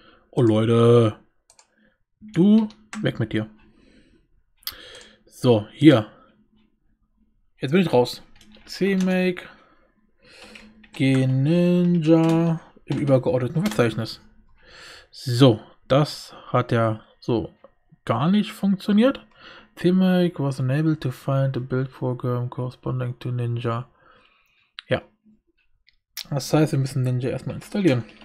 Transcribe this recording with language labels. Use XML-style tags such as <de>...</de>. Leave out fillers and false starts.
<de>Oh Leute. Du, weg mit dir. So, hier. Jetzt bin ich raus. CMake. Geninja. Im übergeordneten Verzeichnis. So, das hat ja so gar nicht funktioniert.</de> <en>CMake was unable to find the build program corresponding to Ninja.</en> <de>Das heißt, wir müssen Ninja erstmal installieren.</de>